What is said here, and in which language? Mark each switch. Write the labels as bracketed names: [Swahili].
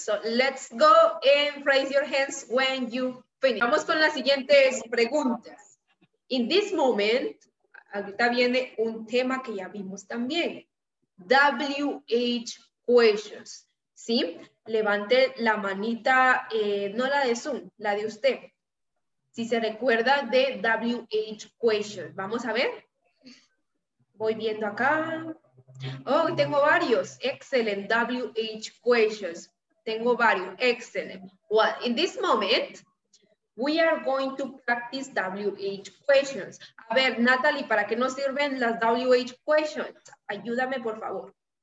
[English] So let's go and raise your hands when you finish. [Spanish] Vamos con las siguientes preguntas. [English] In this moment, [Spanish] ahorita viene un tema que ya vimos también. [English] WH questions, ¿sí? [Spanish] Levante la manita, no la de Zoom, la de usted. Si se recuerda de WH questions, vamos a ver. Voy viendo acá. Oh, tengo varios. [English] Excellent, WH questions. [Spanish] Tengo varios, [English] excellent. Well, in this moment, we are going to practice WH questions. [Spanish] A ver, Natalie, ¿para qué nos sirven las WH questions? Ayúdame, por favor.